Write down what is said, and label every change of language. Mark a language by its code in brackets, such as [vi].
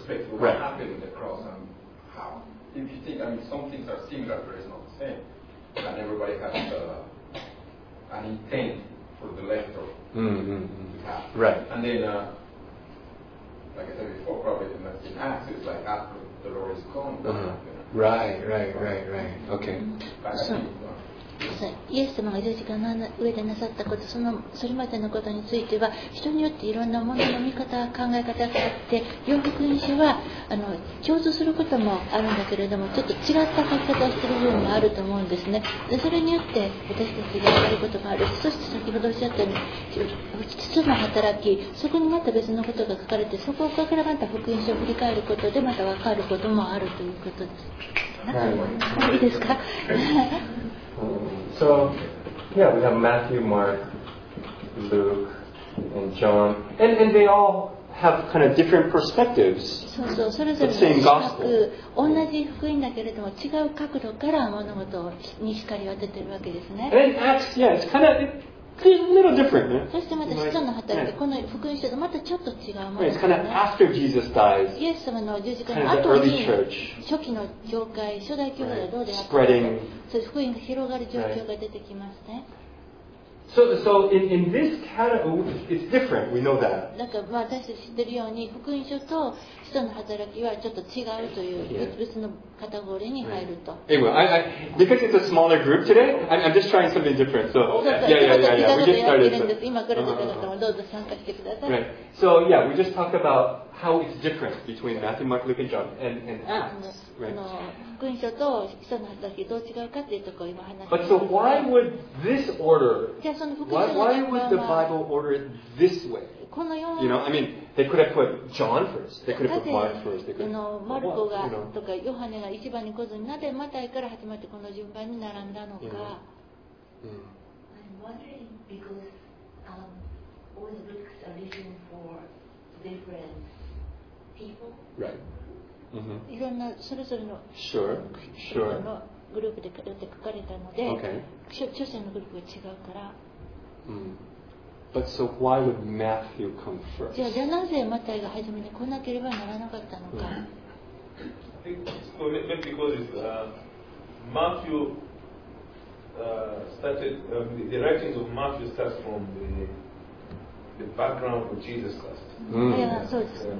[en] what happened on the cross and how. If you think, I mean, some things are similar, but it's not the same. And everybody has an intent for the letter. Right. And then, like I said before, probably in Acts, it's like after the Lord is come. Right. Okay. But I think, [ja] イエス様が十字架の上でなさったこと、それまでのことについては、人によっていろんなものの見方、考え方があって、ヨハネ福音書は共通することもあるんだけれども、ちょっと違った書き方をしている部分もあると思うんですね。それによって私たちが分かることもあるし、そして先ほどおっしゃったように、父の働き、そこにまた別のことが書かれて、そこからまた福音書を振り返ることで、また分かることもあるということです。はい、いいですか。 [en] So, yeah, we have Matthew, Mark, Luke, and John, and they all have kind of different perspectives. So, so, [ja] それぞれ違う、同じ福音だけれども違う角度から物事に光を当ててるわけですね。 [en] And Acts, yeah, it's kind of it's a little different. Yeah? [ja] そしてまた使徒の働き、 [en] yeah. [ja] この福音書とまたちょっと違うものですね。 [en] It's kind of after Jesus dies. [ja] イエス様の十字架の後に、初期の教会、初代教会はどうであったのか。そういう福音が広がる状況が出てきますね。 [en] So, so in this category, it's different. We know that. [ja] なんか私たち知ってるように、福音書と使徒の働きはちょっと違うという別々のカテゴリーに入ると。 [en] Anyway, I because it's a smaller group today, I'm just trying something different. So, yeah. We just started. [ja] 今から出てる方もどうぞ参加してください。 [en] Right. So, yeah, we just talked about how it's different between Matthew, Mark, Luke, and John, and Acts. Right. [ja] 福音書と使徒の働きどう違うかというところを今話しています。 [en] But so why would this order? [ja] じゃあその福音書の順番は、 [en] why would the Bible order it this way? [ja] このような、 [en] you know, I mean, they could have put John first. They could have put Mark first. They could have [ja] マルコがとかヨハネが一番に来ずに、なぜマタイから始まってこの順番に並んだのか。 [en] I'm wondering people. Right. [ja] いろんなそれぞれの [en] sure, sure. [ja] のグループで書かれたので、 [en] okay. [ja] 著者のグループが違うから。 [en] But so why would Matthew come first? [ja] じゃあなぜマタイが初めに来なければならなかったのか。 [en] Maybe because Matthew started the writings of Matthew starts from the background of Jesus Christ.